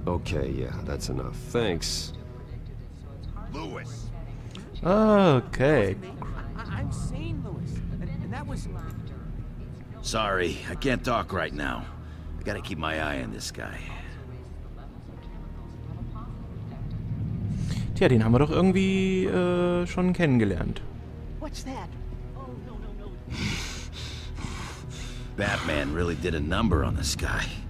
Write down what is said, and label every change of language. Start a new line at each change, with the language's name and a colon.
English: Okay, yeah, that's enough. Thanks. Lewis. Okay. I'm sane, Lewis. And that was... Sorry, I can't talk right now. I gotta keep my eye on this guy.
German: Tja, den haben wir doch irgendwie schon kennengelernt.
English: What's that? Oh, no, no, no. Batman really did a number on this guy.